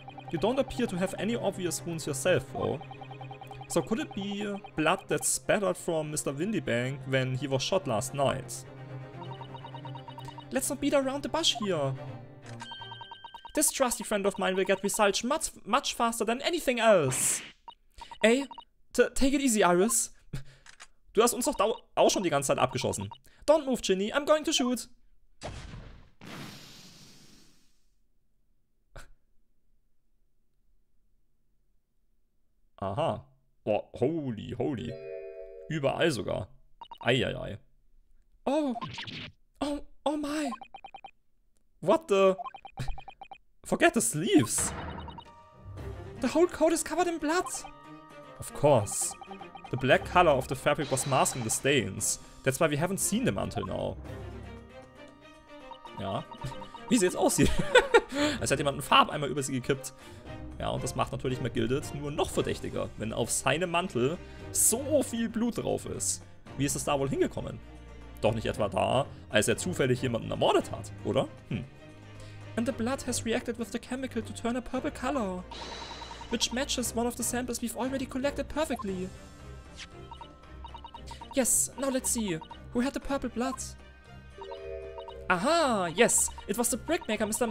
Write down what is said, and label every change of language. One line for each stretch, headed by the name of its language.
English: You don't appear to have any obvious wounds yourself, though. So could it be blood that spattered from Mr. Windybank when he was shot last night? Let's not beat around the bush here. This trusty friend of mine will get results much, much faster than anything else. Ey, take it easy, Iris.
German: Du hast uns doch auch schon die ganze Zeit abgeschossen.
English: Don't move, Ginny. I'm going to shoot.
German: Aha. Boah,
English: holy, holy.
German: Überall sogar. Eieiei.
English: Oh. Oh, oh my. What the? Forget the sleeves. The whole coat is covered in blood. Of course. The black color of the fabric was masking the stains. That's why we haven't seen them until now.
German: Ja. Wie sie jetzt aussieht. Als hätte jemand einen Farbeimer über sie gekippt. Ja, und das macht natürlich McGilded nur noch verdächtiger, wenn auf seinem Mantel so viel Blut drauf ist. Wie ist es da wohl hingekommen? Doch nicht etwa da, als er zufällig jemanden ermordet hat, oder?
English: And the blood has reacted with the chemical to turn a purple color, which matches one of the samples we've already collected perfectly. Yes, now let's see. Who had the purple blood? Aha, yes, it was the brickmaker Mr.